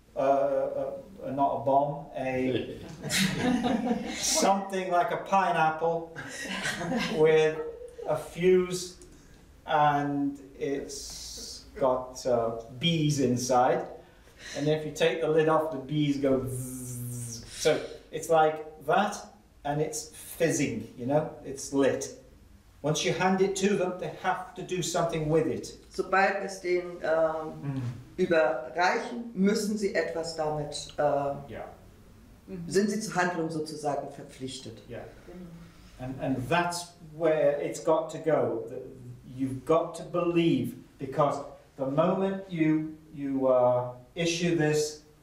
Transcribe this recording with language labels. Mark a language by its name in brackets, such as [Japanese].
[English] Not a bomb, a something like a pineapple with a fuse and it's got bees inside. And if you take the lid off, the bees go zzz. So it's like that and it's fizzing, you know, it's lit. Once you hand it to them, they have to do something with it. [German] Sobald es den überreichen, müssen sie etwas damit, sind sie zur Handlung sozusagen verpflichtet. [English] Yeah. And that's where it's got to go. You've got to believe, because the moment you issue this,